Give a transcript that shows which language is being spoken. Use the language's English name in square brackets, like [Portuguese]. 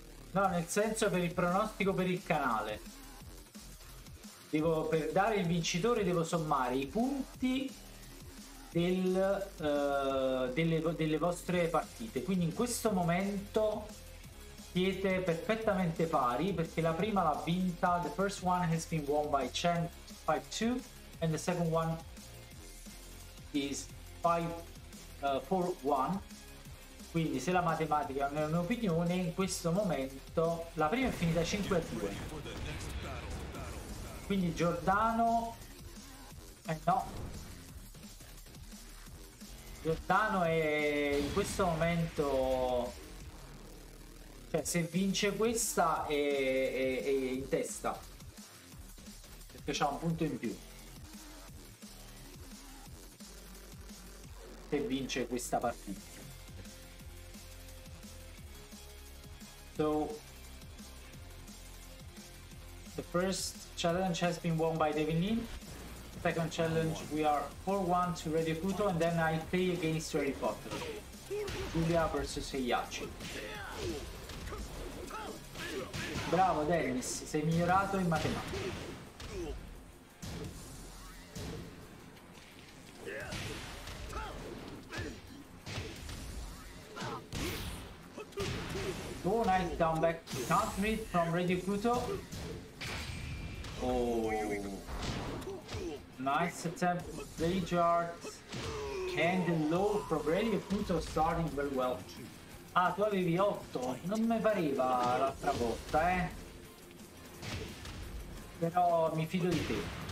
[Italian] No, nel senso per il pronostico per il canale. Devo, per dare il vincitore devo sommare i punti delle vostre partite. Quindi in questo momento siete perfettamente pari, perché la prima l'ha vinta. [English] The first one has been won by Chen 5-2 and the second one is 4-1. [Italian] Quindi se la matematica non è un'opinione, in questo momento la prima è finita 5-2. Quindi Giordano, no, Giordano è in questo momento, cioè se vince questa è in testa, perché c'ha un punto in più se vince questa partita. [English] So, the first challenge has been won by David Lin. Second challenge, we are 4-1 to Radio Kuto, and then I play against Harry Potter. Julia versus Heihachi. [Italian] Bravo, Dennis, sei migliorato in matematica. [English] Oh, nice down back counter hit from Radio Kuto. Oh, nice attempt with Lady Jart. And the low from Radio Kuto starting very well. [Italian] Ah, tu avevi 8. Non mi pareva l'altra volta, eh. Però mi fido di te.